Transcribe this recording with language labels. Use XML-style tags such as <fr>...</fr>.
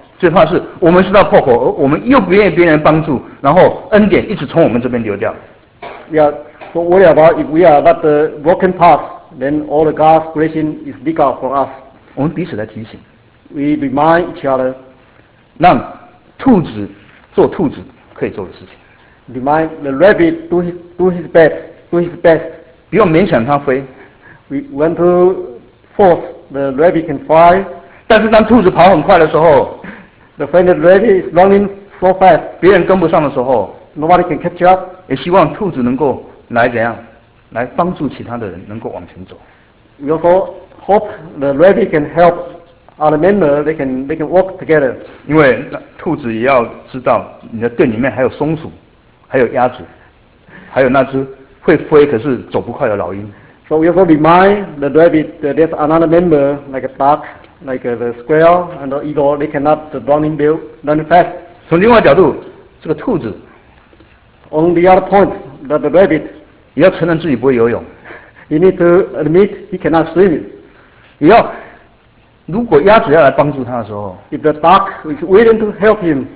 <zh>最怕是我们是到破口，我们又不愿意别人帮助，然后恩典一直从我们这边流掉。</zh> <en>We are so worried about if we are that broken path, then all the God's blessing is leak out for us.</en> <zh>我们彼此来提醒。</zh> <en>We remind each other.</en> <zh>让兔子做兔子可以做的事情。</zh> <en>Remind the rabbit do his best.</en> <zh>不用勉强它飞。</zh> <en>We want to force. The rabbit can fly,</en> <zh>但是当兔子跑很快的时候</zh> <en>，the friend the rabbit is running so fast,</en> <zh>别人跟不上的时候</zh> <en>，nobody can catch up.</en> <zh>也希望兔子能够来怎样，来帮助其他的人能够往前走。</zh> <en>We also hope the rabbit can help other members. They can work together.</en> <zh>因为兔子也要知道，你的队里面还有松鼠，还有鸭子，还有那只会飞可是走不快的老鹰。</zh> <en>So we also remind the rabbit that there's another member, like a duck, like the squirrel and the eagle, they cannot running fast.</en> <zh>从另外一角度，这个兔子。</zh> <en>On the other point, that the rabbit.</en> <zh>也要承认自己不会游泳。</zh> <en>He need to admit he cannot swim.</en> <zh>也要，如果鸭子要来帮助他的时候。</zh> <en>If the duck is willing to help him.</en>